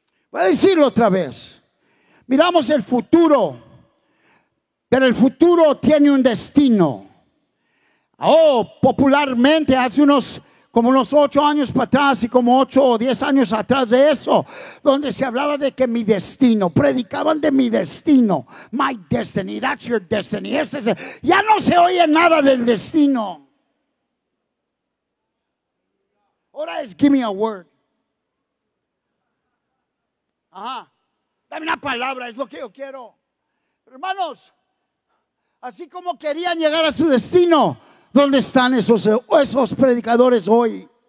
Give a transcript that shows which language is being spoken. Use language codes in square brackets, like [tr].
[es] Voy a decirlo otra vez. Miramos el futuro, pero el futuro tiene un destino. Oh, popularmente hace unos, como unos 8 años para atrás y como 8 o 10 años atrás de eso, donde se hablaba de que mi destino, predicaban de mi destino. [en] My destiny, that's your destiny. [es] Ya no se oye nada del destino. Ahora es [en] give me a word. [es] Ajá, dame una palabra, es lo que yo quiero. Hermanos, así como querían llegar a su destino, ¿dónde están esos predicadores hoy?